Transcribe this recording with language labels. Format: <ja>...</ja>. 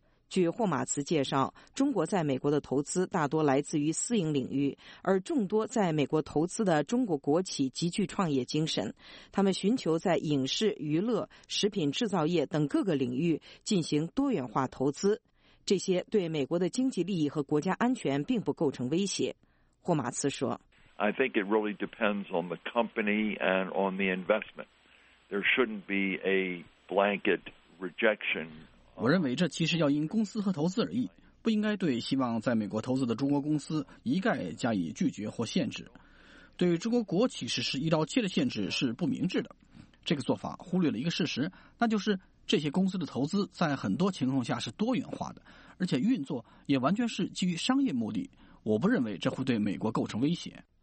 <zh>据霍马茨介绍，中国在美国的投资大多来自于私营领域，而众多在美国投资的中国国企极具创业精神，他们寻求在影视、娱乐、食品制造业等各个领域进行多元化投资，这些对美国的经济利益和国家安全并不构成威胁。霍马茨说，</zh> <en>I think it really depends on the company and on the investment. There shouldn't be a blanket rejection.</en> <zh>我认为这其实要因公司和投资而异，不应该对希望在美国投资的中国公司一概加以拒绝或限制。对中国国企实施1刀切的限制是不明智的，这个做法忽略了一个事实，那就是这些公司的投资在很多情况下是多元化的，而且运作也完全是基于商业目的，我不认为这会对美国构成威胁。</zh>